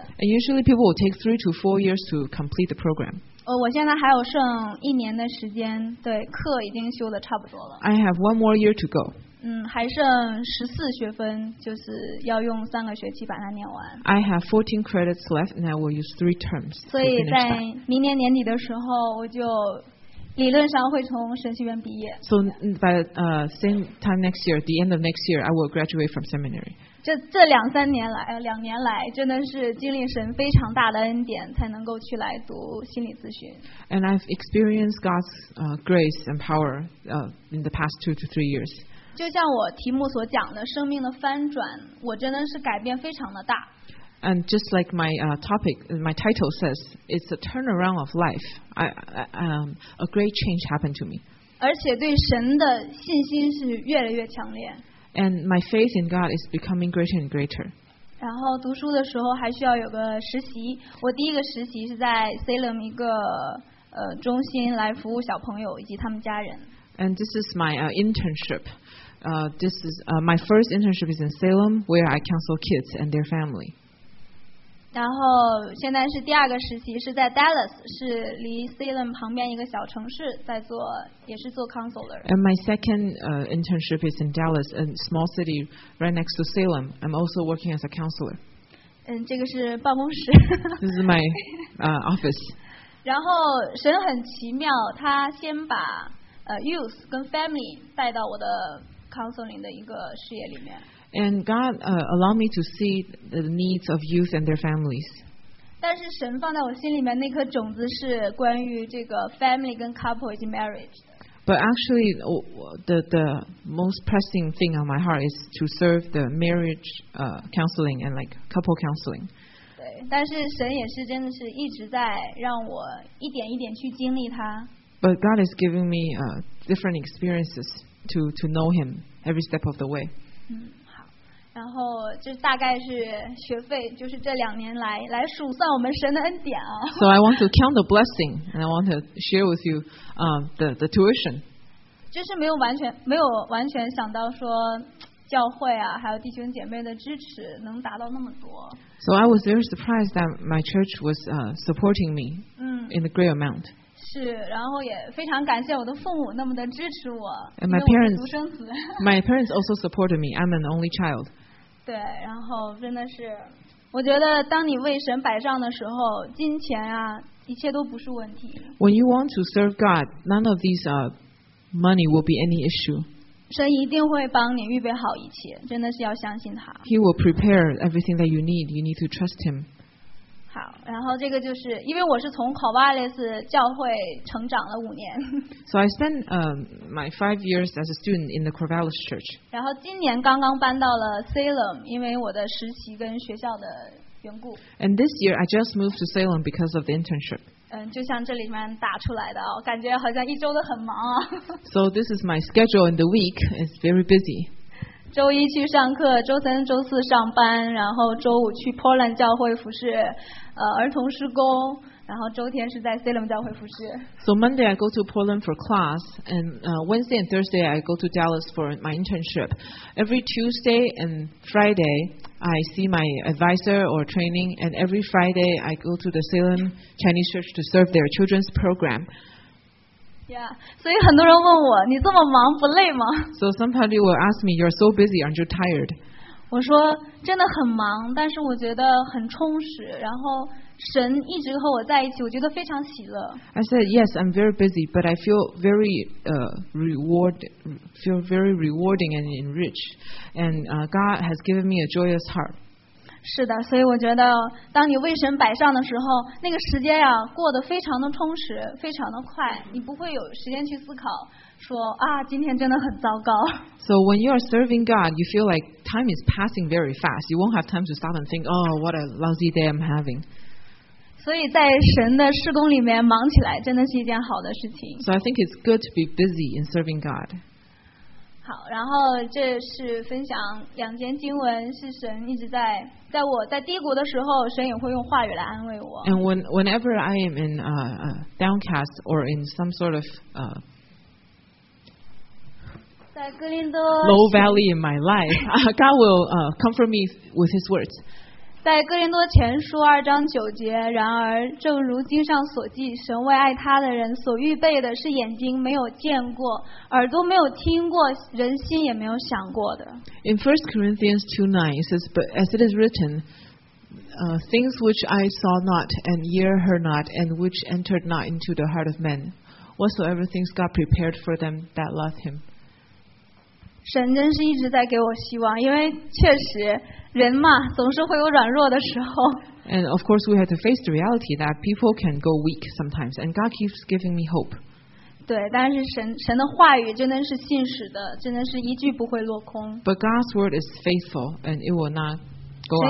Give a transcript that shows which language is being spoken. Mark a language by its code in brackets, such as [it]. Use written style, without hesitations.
[en] And usually people will take 3 to 4 years to complete the program. [zh] 我现在还有剩一年的时间，对，课已经修的差不多了。 [en] I have one more year to go. [zh] 还剩14学分，就是要用三个学期把它念完。 [en] I have 14 credits left and I will use 3 terms. [zh] 所以在明年年底的时候，我就理论上会从神学院毕业。 [en] So by same time next year, the end of next year, I will graduate from seminary. [zh] 这两三年来，两年来真的是经历神非常大的恩典，才能够去来读心理咨询。 [en] And I've experienced God's grace and power in the past 2 to 3 years. [zh] 就像我题目所讲的，生命的翻转，我真的是改变非常的大。 [en] And just like my topic, my title says, it's a turnaround of life. A great change happened to me. [zh] 而且对神的信心是越来越强烈。 [en] And my faith in God is becoming greater and greater. [zh] 然后读书的时候还需要有个实习。我第一个实习是在 Salem 一个中心来服务小朋友以及他们家人。 [en] And this is my internship. This is my first internship is in Salem, where I counsel kids and their family. [zh] 然后现在是第二个实习，是在 Dallas， 是离 Salem 旁边一个小城市，在做，也是做 counselor。 [en] And my second internship is in Dallas, a small city right next to Salem. I'm also working as a counselor. [zh] 这个是办公室。 [en] This is my office. [zh] 然后神很奇妙，他先把youth 跟 family 带到我的 counseling 的一个事业里面。 [en] And God allowed me to see the needs of youth and their families. [zh] 但是神放在我心里面那颗种子是关于这个 family 跟 couple 以及 marriage. [en] But actually, the most pressing thing on my heart is to serve the marriage counseling and like couple counseling. [zh] 对，但是神也是真的是一直在让我一点一点去经历他。 [en] But God is giving me different experiences to know Him every step of the way. [zh] 然后这大概是学费，就是这两年来数算我们神的恩典啊。 [en] So I want to count the blessing, and I want to share with you, the tuition. [zh] 就是没有完全想到说教会啊，还有弟兄姐妹的支持能达到那么多。 [en] So I was very surprised that my church was supporting me in a great amount. [zh] 是，然后也非常感谢我的父母那么的支持我。 [en] And my parents, [zh] 独生子。 [en] My parents also supported me. I'm an only child. [zh] 对，然后真的是，我觉得当你为神摆上的时候，金钱啊，一切都不是问题。 [en] When you want to serve God, none of these money will be any issue. [zh] 神一定会帮你预备好一切，真的是要相信他。 [en] He will prepare everything that you need. You need to trust him. [zh] 好，然后这个就是因为我是从 Corvallis 教会成长了五年。 [en] So I spent my 5 years as a student in the Corvallis Church. [zh] 然后今年刚刚搬到了 Salem， 因为我的实习跟学校的缘故。 [en] And this year I just moved to Salem because of the internship. [zh] 就像这里面打出来的，感觉好像一周都很忙。 [en] So this is my schedule in the week. It's very busy. [zh] 周一去上课，周三、周四上班，然后周五去 Portland 教会服侍，儿童施工，然后周天是在 Salem 教会服侍。 [en] So Monday I go to Portland for class, and Wednesday and Thursday I go to Dallas for my internship. Every Tuesday and Friday I see my advisor or training, and every Friday I go to the Salem Chinese Church to serve their children's program. [zh] Yeah, 所以很多人问我，你这么忙不累吗？ [en] So somebody will ask me, you're so busy, aren't you tired? [zh] 我说真的很忙，但是我觉得很充实，然后神一直和我在一起，我觉得非常喜乐。 [en] I said, yes, I'm very busy, but I feel very rewarding and enriched, and God has given me a joyous heart. [zh] 是的，所以我觉得当你为神摆上的时候，那个时间呀、啊、过得非常的充实，非常的快，你不会有时间去思考说啊，今天真的很糟糕。 [en] So when you are serving God, you feel like time is passing very fast. You won't have time to stop and think, oh, what a lousy day I'm having. [zh] 所以在神的事工里面忙起来真的是一件好的事情。 [en] So I think it's good to be busy in serving God. [zh] 好，然后这是分享两节经文，是神一直在我在低谷的时候，神也会用话语来安慰我。 [en] And whenever I am in downcast or in some sort of [zh] 在哥林多 [en] low valley in my life, God will comfort me with His words. [zh] 在哥林多前书二章九节，然而正如经上所记，神为爱他的人所预备的是眼睛没有见过，耳朵没有听过，人心也没有想过的。 [en] In 1 Corinthians 2:9 it says, but as it is written, things which eye saw not, and ear heard not, and which entered not into the heart of man, whatsoever things God prepared for them that love him. [zh] 神真是一直在给我希望，因为确实人嘛，总是会有软弱的时候。 [en] And of course, we have to face the reality that people can go weak sometimes, and God keeps giving me hope. [zh] 对，但是神的话语真的是信实的，真的是一句不会落空。 [en] But God's word is faithful, and it will not go unanswered.